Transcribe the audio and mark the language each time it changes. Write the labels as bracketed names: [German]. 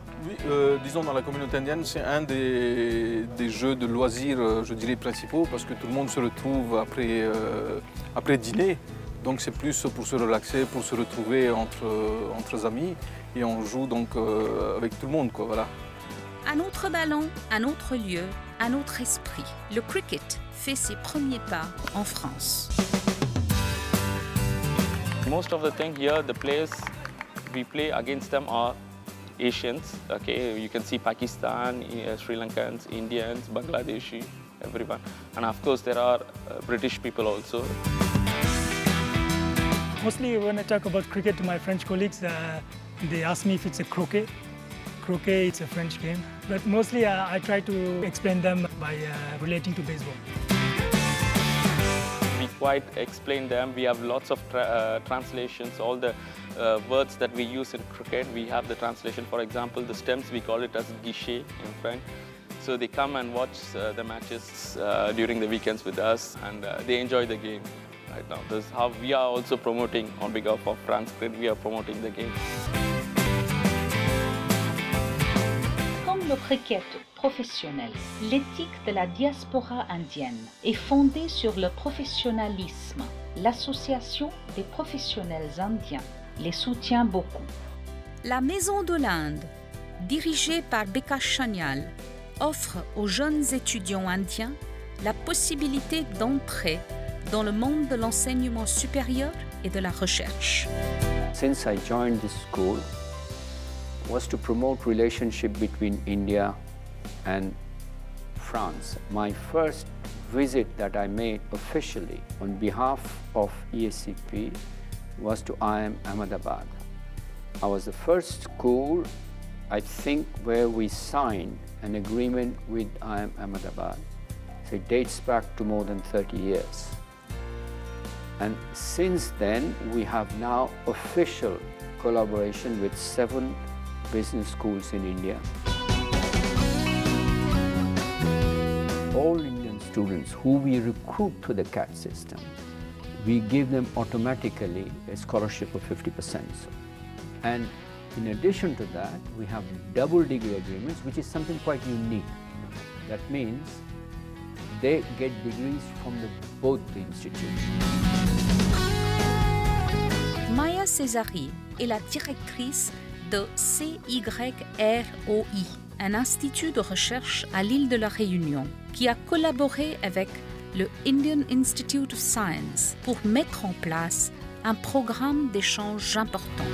[French] Oui, disons dans la communauté indienne, c'est un des jeux de loisirs, je dirais, principaux, parce que tout le monde se retrouve après dîner. Donc c'est plus pour se relaxer, pour se retrouver entre amis. Et on joue donc avec tout le monde, quoi, voilà. Un autre ballon, un autre lieu, un autre esprit. Le cricket fait ses premiers pas en France. [English] Most of the things here, the players we play against them are Asians. Okay, you can see Pakistan, Sri Lankans, Indians, Bangladeshi, everyone. And of course there are British people also. Mostly when I talk about cricket to my French colleagues, they ask me if it's a croquet. Croquet, it's a French game. But mostly I try to explain them by relating to baseball. We quite explain them. We have lots of translations. All the words that we use in cricket, we have the translation. For example, the stumps, we call it as guichet in French. So they come and watch the matches during the weekends with us, and they enjoy the game. Right now, this is how we are also promoting on behalf of Transcript. We are promoting the game. [French] Comme le cricket professionnel, l'éthique de la diaspora indienne est fondée sur le professionnalisme. L'association des professionnels indiens les soutient beaucoup. La Maison de l'Inde, dirigée par Beka Chanyal, offre aux jeunes étudiants indiens la possibilité d'entrer dans le monde de l'enseignement supérieur et de la recherche. [English] Since I joined this school, was to promote relationship between India and France. My first visit that I made officially on behalf of ESCP was to IIM Ahmedabad. I was the first school, I think, where we signed an agreement with IIM Ahmedabad. So it dates back to more than 30 years. And since then, we have now official collaboration with 7 business schools in India. all Indian students who we recruit through the CAT system, we give them automatically a scholarship of 50%. And in addition to that, we have double degree agreements, which is something quite unique. That means they get degrees from both the institutions. [French] Maya Cesari est la directrice de CYROI, un institut de recherche à l'île de la Réunion, qui a collaboré avec le Indian Institute of Science pour mettre en place un programme d'échange important.